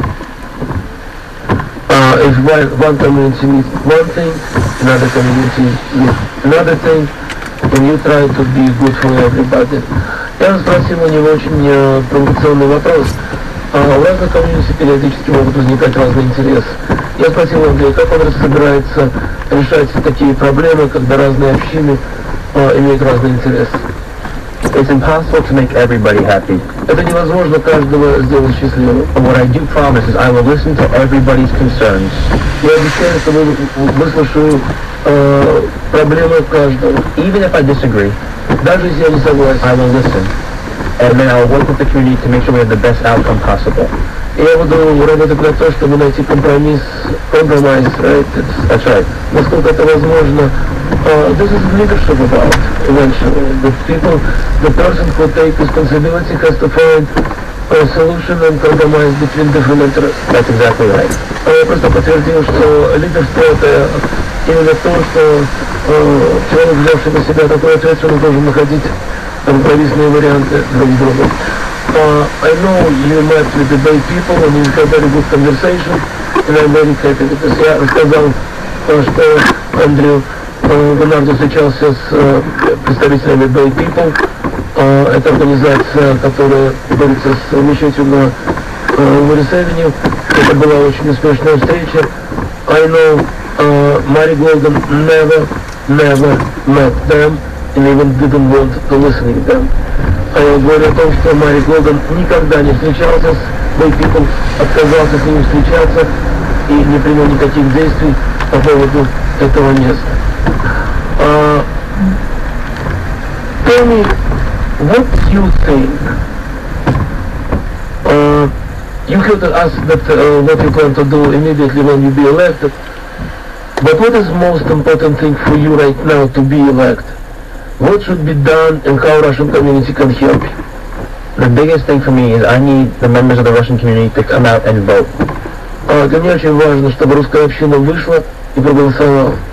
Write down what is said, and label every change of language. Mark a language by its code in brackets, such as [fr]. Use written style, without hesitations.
[en] because one community needs one thing, another community needs another thing, and you try to be good for everybody. [ru] Я спросил у него очень провокационный вопрос. В разных комьюнити периодически могут возникать разные интересы. Я спросил Андрея, как он собирается решать такие проблемы, когда разные общины имеют разные интересы. [en] It's impossible to make everybody happy. [ru] Это невозможно каждого сделать счастливым. [en] And what I do promise is I will listen to everybody's concerns. [ru] Я обещаю, что выслушаю проблемы каждого. [en] Even if I disagree. [ru] Даже если я не согласен. [en] I will listen. And then I'll work with the community to make sure we have the best outcome possible. [ru] Я буду работать на то, чтобы найти компромисс, right? [en] That's right. [ru] Насколько это возможно. [en] This is leadership about eventually. The person who takes responsibility has to find a solution and compromise between different interests. That's exactly right. [ru] Я просто подтвердил, что лидерство — это именно то, что человек, взявший на себя такую ответственность, должен находить компромиссные варианты друг с другом. [en] I know you met with the bad people and you had a very good conversation, and I'm very happy because [ru] я рассказал, что Андрю Бернардо встречался с представителями [en] bad people. [ru] Это организация, которая борется с мечетью на Уоррис-Эвеню. Это была очень успешная встреча. [en] I know Мари Голден never met them. And even didn't want to listen to them. [ru] А я говорю о том, что Мари Голден никогда не встречался с Бэй Пипл, отказался с ними встречаться и не принял никаких действий по поводу этого места. [en] Tell me, what you think? You could ask that what you plan to do immediately when you be elected, but what is most important thing for you right now to be elected? What should be done and how Russian community can help you? The biggest thing for me is I need the members of the Russian community to come out and vote. [ru] Для меня очень важно, чтобы русская община вышла и проголосовала.